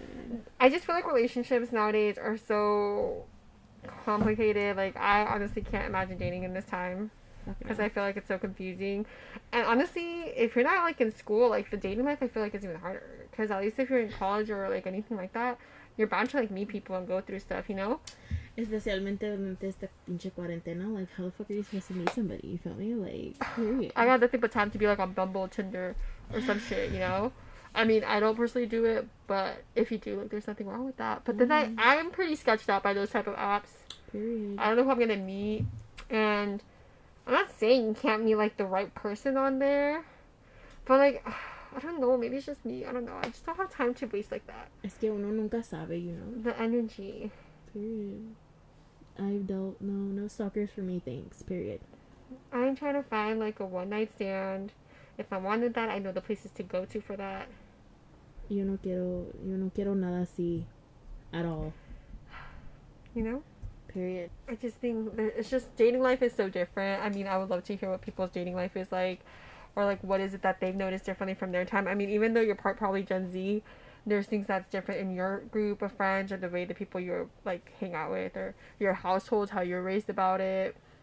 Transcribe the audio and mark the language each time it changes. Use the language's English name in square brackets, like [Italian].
[English] Yeah. I just feel like relationships nowadays are so complicated. Like, I honestly can't imagine dating in this time. Because I feel like it's so confusing. And honestly, if you're not, like, in school, like, the dating life, I feel like it's even harder. Because at least if you're in college or, like, anything like that, you're bound to, like, meet people and go through stuff, you know? [Spanish] Especialmente durante esta pinche cuarentena. [English] Like, how the fuck are you supposed to meet somebody? You feel me? Like, I got nothing but time to be, like, on Bumble, Tinder, or some shit, you know? I mean, I don't personally do it, but if you do, like, there's nothing wrong with that. But then I'm pretty sketched out by those type of apps. Period. I don't know who I'm gonna meet. And I'm not saying you can't meet, like, the right person on there. But, like, I don't know. Maybe it's just me. I don't know. I just don't have time to waste like that. [Spanish] Es que uno nunca sabe, [English] you know? The energy. Period. I've dealt... No stalkers for me, thanks. Period. I'm trying to find, like, a one-night stand. If I wanted that, I know the places to go to for that. [Spanish] Yo no quiero nada así [English] at all. You know? Period. I just think it's just dating life is so different. I mean, I would love to hear what people's dating life is like. Or, like, what is it that they've noticed differently from their time? I mean, even though you're part probably Gen Z, there's things that's different in your group of friends or the way the people you're, like, hang out with or your households, how you're raised about it.